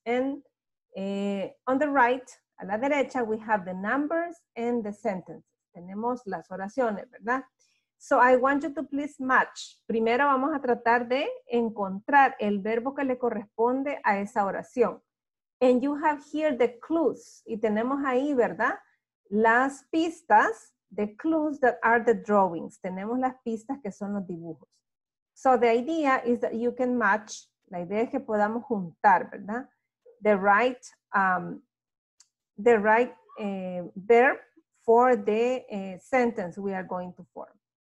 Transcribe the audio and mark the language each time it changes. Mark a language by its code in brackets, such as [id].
[en] And on the right, [es] a la derecha, [en] we have the numbers and the sentences. [es] Tenemos las oraciones, ¿verdad? [en] So I want you to please match. [es] Primero vamos a tratar de encontrar el verbo que le corresponde a esa oración. [en] And you have here the clues. [es] Y tenemos ahí, ¿verdad? Las pistas, [en] the clues that are the drawings. [es] Tenemos las pistas que son los dibujos. [en] So the idea is that you can match. [es] La idea es que podamos juntar, ¿verdad? [en] The right verb for the sentence we are going to form.